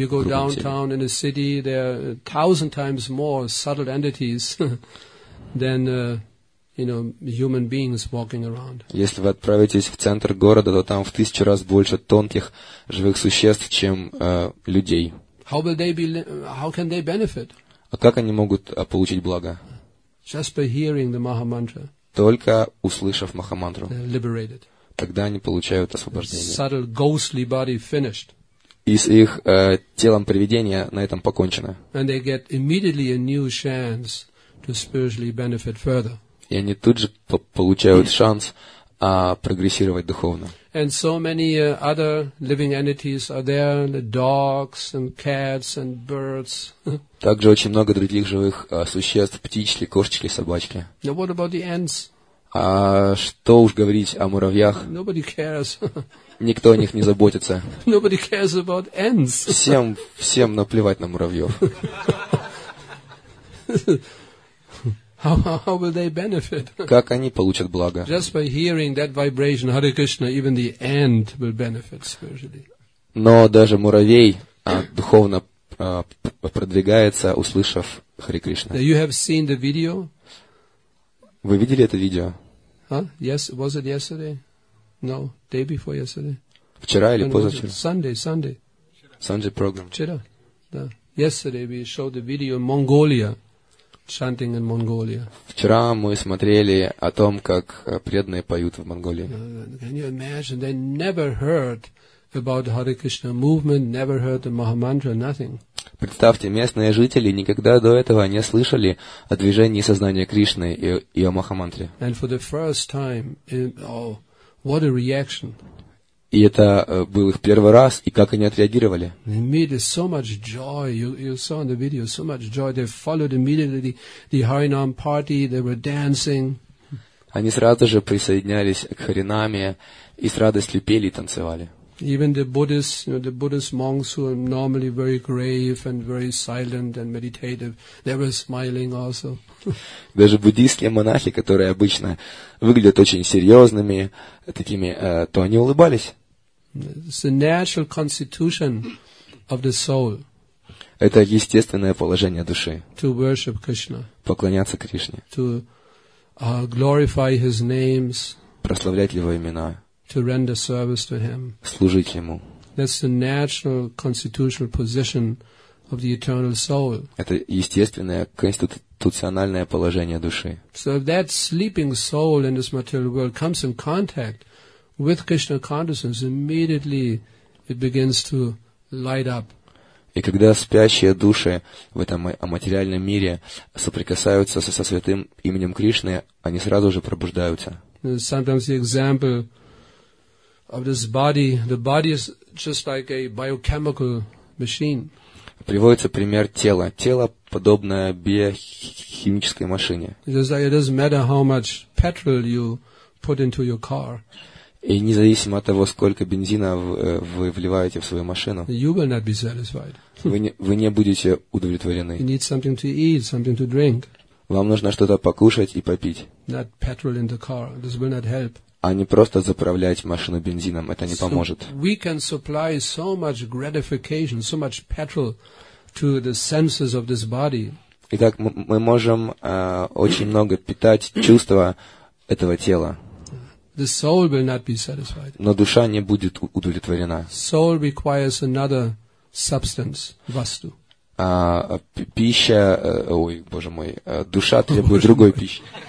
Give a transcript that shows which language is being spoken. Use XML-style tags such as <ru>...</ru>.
<en>If you go downtown in a city, there are 1,000 times more subtle entities than human beings walking around.</en> <ru>Если вы отправитесь в центр города, то там в 1000 раз больше тонких живых существ, чем людей.</ru> <en>How can they benefit?</en> <ru>А как они могут получить благо?</ru> <en>Just by hearing the Maha Mantra.</en> <ru>Только услышав Махамантру.</ru> <en>They're liberated.</en> <ru>Тогда они получают освобождение.</ru> <en>Their subtle ghostly body finished.</en> <ru>И с их телом привидения на этом покончено.</ru> <en>And they get immediately a new chance to spiritually benefit further.</en> <ru>И они тут же получают шанс прогрессировать духовно.</ru> <en>And so many other living entities are there, the dogs and cats and birds.</en> <ru>Также очень много других живых существ, птички, кошечки, собачки.</ru> <en>Now what about the ants?</en> <ru>А что уж говорить о муравьях?</ru> <en>Nobody cares.</en> <ru>Никто о них не заботится.</ru> <en>Nobody cares about ants.</en> <ru>Всем наплевать на муравьев.</ru> <en>How will they benefit?</en> <ru>Как они получат благо?</ru> <en>Just by hearing that vibration, Hare Krishna, even the ant will benefit spiritually.</en> <ru>Но даже муравей духовно продвигается, услышав Хари Кришна.</ru> <en>You have seen the video?</en> <ru>Вы видели это видео?</ru> <en>Yes, was it yesterday? No, day before yesterday.</en> <ru>Вчера или позавчера?</ru> <en>Sunday. Sunday program.</en> <ru>Вчера. Да.</ru> <en>Yesterday we showed the video in Mongolia. Chanting in Mongolia.</en> <ru>Вчера мы смотрели о том, как преданные поют в Монголии.</ru> <en>Can you imagine? They never heard about the Hare Krishna movement, never heard the Maha Mantra, nothing.</en> <ru>Представьте, местные жители никогда до этого не слышали о движении сознания Кришны и о Махамантре.</ru> <en>And for the first time, what a reaction!</en> <ru>И это был их первый раз, и как они отреагировали?</ru> <en>Immediately so much joy. You saw in the video so much joy. They followed immediately the Harinam party. They were dancing.</en> <ru>Они сразу же присоединялись к Харинаме и с радостью пели и танцевали.</ru> <en>Even the Buddhists, the Buddhist monks who are normally very grave and very silent and meditative, they were smiling also.</en> <ru>Даже буддийские монахи, которые обычно выглядят очень серьезными, такими, то они улыбались.</ru> <en>It's the natural constitution of the soul.</en> <ru>Это естественное положение души.</ru> <en>To worship Krishna.</en> <ru>Поклоняться Кришне.</ru> <en>To glorify His names.</en> <ru>Прославлять Его имена.</ru> <en>To render service to Him.</en> <ru>Служить Ему.</ru> <en>That's the natural constitutional position of the eternal soul.</en> <ru>Это естественное конституциональное положение души.</ru> <en>So if that sleeping soul in this material world comes in contact with Krishna consciousness, immediately it begins to light up.</en> <ru>И когда спящие души в этом материальном мире соприкасаются со святым именем Кришны, они сразу же пробуждаются.</ru> <en>Sometimes the example of this body, the body is just like a biochemical machine.</en> <ru>Приводится пример тела. Тело подобное биохимической машине.</ru> <en>It doesn't matter how much petrol you put into your car.</en> <ru>И независимо от того, сколько бензина вы вливаете в свою машину,</ru> <en>you will not be satisfied.</en> <ru>Вы не будете удовлетворены.</ru> <en>You need something to eat, something to drink.</en> <ru>Вам нужно что-то покушать и попить.</ru> <en>Not petrol in the car. This will not help.</en> <ru>А не просто заправлять машину бензином, это не поможет.</ru> <en>We can supply so much gratification, so much petrol to the senses of this body.</en> <ru>Итак, мы можем очень много питать чувства этого тела.</ru> <en>The soul will not be satisfied.</en> <ru>Но душа не будет удовлетворена.</ru> <en>Soul requires another substance, vastu.</en> <ru>Пища, ой, боже мой, душа требует другой пищи.</ru>